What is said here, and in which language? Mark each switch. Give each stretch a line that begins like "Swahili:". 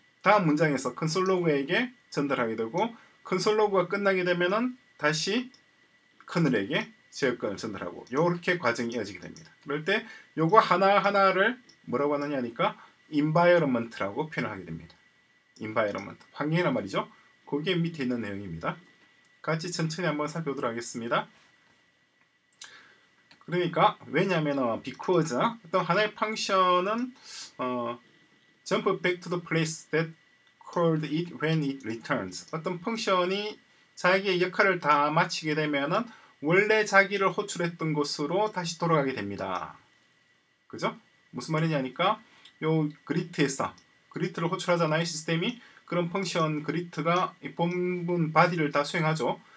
Korean: 다음 문장에서 컨솔 로그에게 전달하게 되고 컨솔 로그가 끝나게 되면은 다시 커널에게 제어권을 전달하고 이렇게 과정이 이어지게 됩니다. 그럴 때 요거 하나하나를 뭐라고 하느냐 하니까 environment라고 표현을 하게 됩니다. environment, 환경이란 말이죠. 거기에 밑에 있는 내용입니다. 같이 천천히 한번 살펴보도록 하겠습니다. 그러니까 왜냐하면
English: because
Korean: 어떤 하나의 function은
English: jump back to the place that called it when it returns.
Korean: 어떤 function이 자기의 역할을 다 마치게 되면은 원래 자기를 호출했던 곳으로 다시 돌아가게 됩니다. 그죠? 무슨 말이냐 하니까 요 그리트에서 그리트를 호출하잖아요. 시스템이 그런 펑션 그리트가 이 본분 바디를 다 수행하죠.